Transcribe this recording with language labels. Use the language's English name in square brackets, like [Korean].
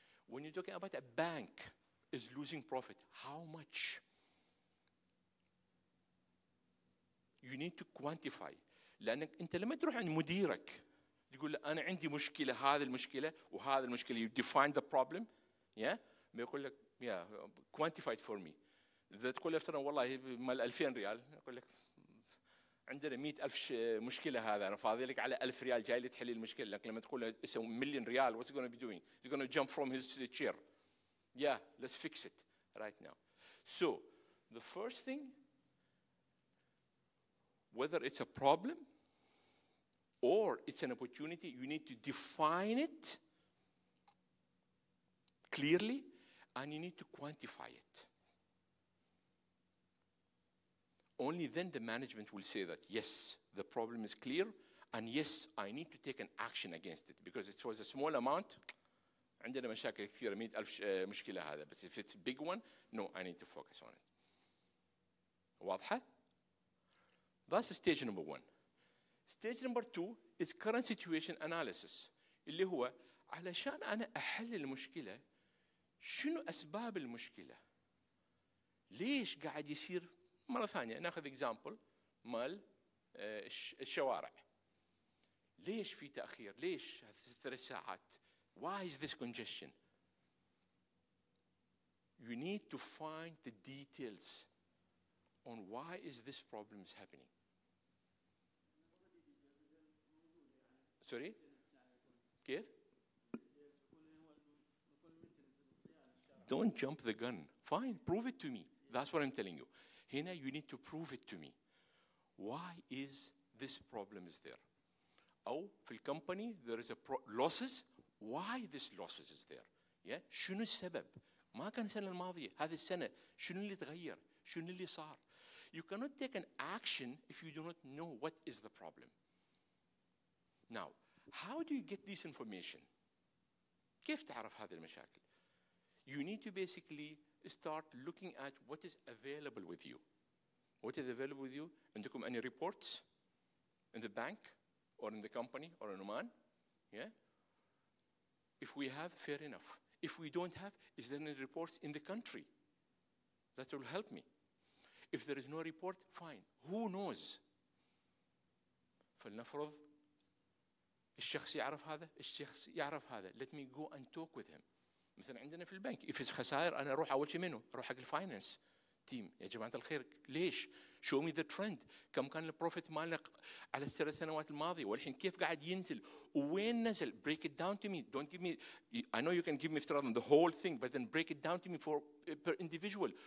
[English] When you're talking about a bank is losing profit, how much? You need to quantify. [Arabic] لأنك أنت لما تروح عند مديرك تقول له أنا عندي مشكلة، هذه المشكلة وهذه المشكلة. [English] You define the problem. Yeah. [Arabic] بيقول لك [English] yeah, quantify it for me. [Arabic] إذا تقول له مثلا والله مال 2000 ريال، يقول لك عندنا 100,000 مشكلة، هذا أنا فاضي لك على 1000 ريال جاي لي تحل المشكلة. لكن لما تقول له اسم مليون ريال، [English] what's he gonna be doing? He's gonna jump from his chair. Yeah, let's fix it right now. So, the first thing, whether it's a problem or it's an opportunity, you need to define it clearly and you need to quantify it. Only then the management will say that, yes, the problem is clear, and yes, I need to take an action against it. Because it was a small amount, [Arabic] عندنا مشاكل كثيرة، 100,000 مشكلة هذا. [English] But if it's a big one, no, I need to focus on it. [Arabic] واضحة؟ [English] That's stage number one. Stage number two is current situation analysis. [Arabic] اللي هو علشان أنا أحل المشكلة، شنو أسباب المشكلة؟ ليش قاعد يصير؟ مرة ثانية نأخذ example مال الشوارع. ليش في تأخير؟ ليش 3 ساعات؟ [English] Why is this congestion? You need to find the details on why is this problem is happening. Sorry? [Arabic] كيف؟ [English] Don't jump the gun. Fine, prove it to me. That's what I'm telling you. Hina, you need to prove it to me. Why is this problem is there? Oh, for the company, there is a losses. Why this losses is there? Yeah, [Arabic] شنو السبب؟ ما كان السنة الماضية، هذه السنة شنو اللي تغير؟ شنو اللي صار؟ [English] You cannot take an action if you do not know what is the problem. Now, how do you get this information? [Arabic] كيف تعرف هذه المشاكل؟ [English] You need to basically start looking at what is available with you. What is available with you? [Arabic] عندكم [English] any reports in the bank or in the company or in Oman? Yeah. If we have, fair enough. If we don't have, is there any reports in the country? That will help me. If there is no report, fine. Who knows? [Arabic] فلنفرض الشخص يعرف هذا، الشخص يعرف هذا. [English] Let me go and talk with him. [Arabic] مثلا عندنا في البنك، [English] if it's [Arabic] خسائر، أنا أروح أول شيء منه، أروح حق الفاينانس تيم. يا جماعة الخير، ليش؟ [English] Show me the trend. [Arabic] كم كان البروفيت مالك على 3 سنوات الماضية، والحين كيف قاعد ينزل، وين نزل؟ [English] Break it down to me. Don't give me. I know you can give me [Arabic] افتراضا [English] the whole thing, but then break it down to me for per individual.